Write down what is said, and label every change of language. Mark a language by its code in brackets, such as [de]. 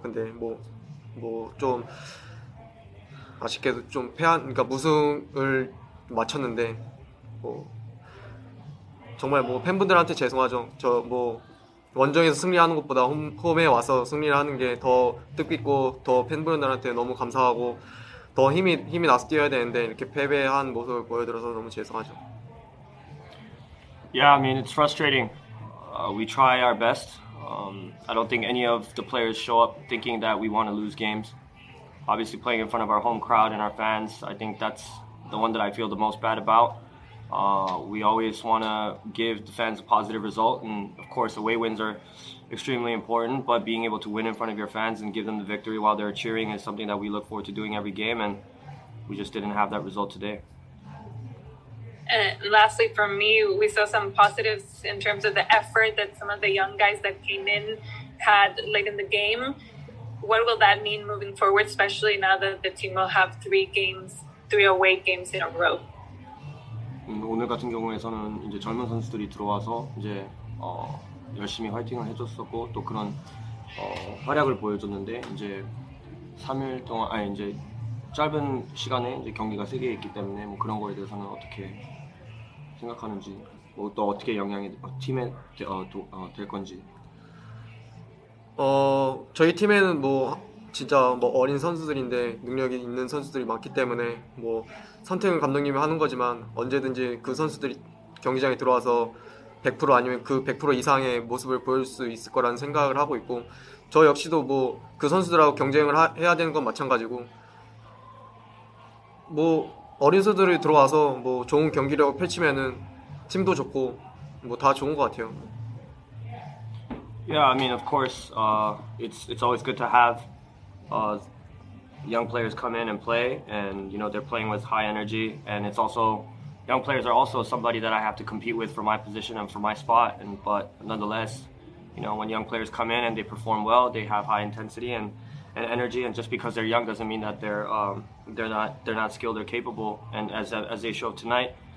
[ko] 근데 뭐 좀 아쉽게도 좀 패한 그러니까 무승을 마쳤는데 뭐 정말 뭐 팬분들한테 죄송하죠. 저 뭐 원정에서 승리하는 것보다 홈에 와서 승리를 하는 게 더 뜻깊고 더 팬분들한테 너무 감사하고 더 힘이 나서 뛰어야 되는데 이렇게 패배한 모습을 보여드려서 너무 죄송하죠. [en] Yeah, I mean it's frustrating. We try our best. I don't think any of the players show up thinking that we want to lose games. Obviously, playing in front of our home crowd and our fans, I think that's the one that I feel the most bad about. We always want to give the fans a positive result, and of course, away wins are extremely important, but being able to win in front of your fans and give them the victory while they're cheering is something that we look forward to doing every game, and we just didn't have that result today. And lastly, from me, we saw some positives in terms of the effort that some of the young guys that came in had late in the game. What will that mean moving forward, especially now that the team will have three away games in a row? [ko] 오늘 같은 경우에서는 이제 젊은 선수들이 들어와서 이제 열심히 화이팅을 해줬었고 또 그런 활약을 보여줬는데 이제 3일 동안 아니 이제 짧은 시간에 이제 경기가 세 개 있기 때문에 뭐 그런 거에 대해서는 어떻게 생각하는지 뭐 또 어떻게 영향이 팀에 될 건지 저희 팀에는 뭐 진짜 뭐 어린 선수들인데 능력이 있는 선수들이 많기 때문에 뭐 선택은 감독님이 하는 거지만 언제든지 그 선수들이 경기장에 들어와서 100% 아니면 그 100% 이상의 모습을 보여줄 수 있을 거라는 생각을 하고 있고 저 역시도 뭐 그 선수들하고 경쟁을 해야 되는 건 마찬가지고 뭐 어린 선수들이 들어와서 뭐 좋은 경기력을 펼치면은 팀도 좋고 뭐 다 좋은 것 같아요. [en] Yeah, I mean, of course, it's always good to have young players come in and play, and you know they're playing with high energy, and it's also young players are also somebody that I have to compete with for my position and for my spot. But nonetheless, you know, when young players come in and they perform well, they have high intensity and energy, and just because they're young doesn't mean that they're not skilled or capable, and as they showed tonight.